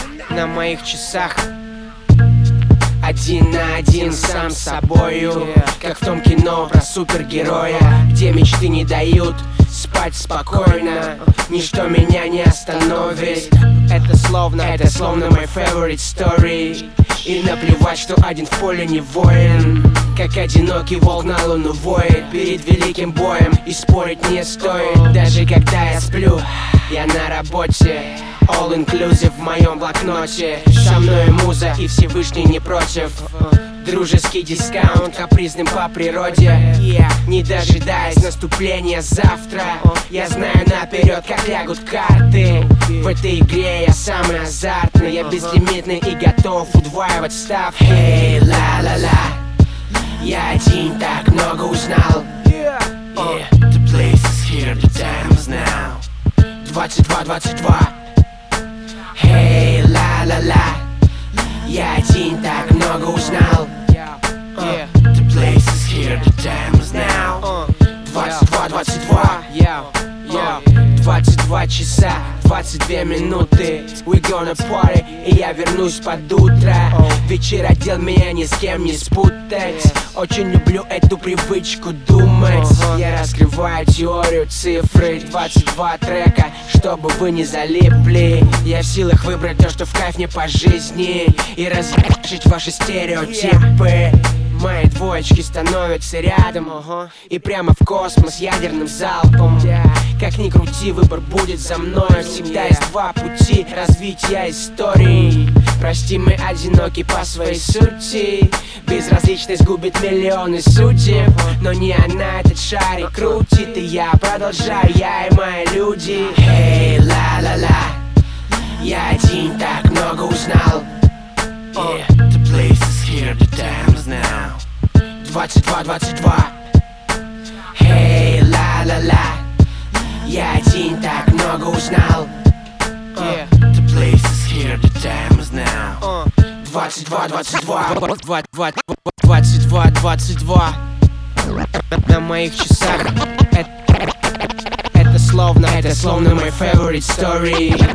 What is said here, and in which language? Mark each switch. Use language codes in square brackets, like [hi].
[ru] На моих часах один на один сам с собою, как в том кино про супергероя, где мечты не дают спать спокойно. Ничто меня не остановит. Это словно [en] my favorite story. [ru] И наплевать, что один в поле не воин, как одинокий волк на луну воет. Перед великим боем и спорить не стоит. Даже когда я сплю, я на работе, [en] all inclusive [ru] в моем блокноте. Со мной муза и Всевышний не против. Дружеский дискаунт капризным по природе. Не дожидаясь наступления завтра, я знаю наперед, как лягут карты. В этой игре я самый азартный, я безлимитный и готов удваивать ставки. [en] Hey, la-la-la, [ru] я один так много узнал. [en] Yeah, the place is here, the time is now. [ru] 22:22. [en] Hey, la-la-la, [ru] я один так много узнал. [en] The place is here, the time is now. [ru] 22:22. Два часа, 22 минуты. [en] We gonna party, [ru] и я вернусь под утро. Вечер одел меня, ни с кем не спутать. Очень люблю эту привычку думать. Я раскрываю теорию цифры. 22 трека, чтобы вы не залипли. Я в силах выбрать то, что в кайф мне по жизни, и разрушить ваши стереотипы. Мои двоечки становятся рядом, и прямо в космос ядерным залпом. Как ни крути, выбор будет за мной. Всегда есть два пути развития истории. Прости, мы одиноки по своей сути. Безразличность губит миллионы судеб. Но не она этот шарик крутит, и я продолжаю, я и мои люди. [en] Hey, la-la-la, [ru] я один так много узнал. [en] Yeah, the place is here, the time is now. [ru] 22:22. [en] Hey, la-la-la, [ru] я один так много узнал. [en] The place is here, the time is now. [ru] 22:22. На моих часах. Это словно [en] my favorite story.